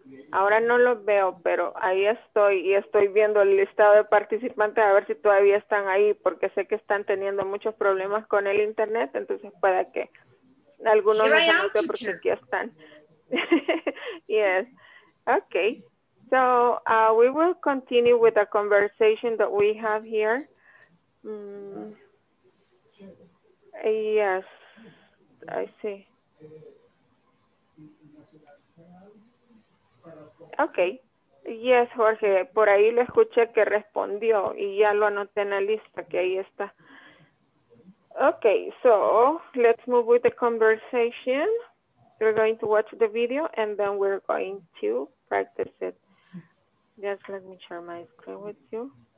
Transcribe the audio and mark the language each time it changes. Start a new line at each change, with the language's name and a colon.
Spanish: Ahora no los veo, pero ahí estoy y estoy viendo el listado de participantes a ver si todavía están ahí, porque sé que están teniendo muchos problemas con el internet, entonces puede que algunos no se note porque aquí están. Yes. Okay.
English: So we will continue with the conversation that we have here. Yes, I see. Okay.
Spanish: Yes, Jorge, por ahí le escuché que respondió y ya lo anoté en la lista, que ahí está.
English: Okay, so let's move with the conversation. We're going to watch the video and then we're going to practice it. Just let me share my screen with you.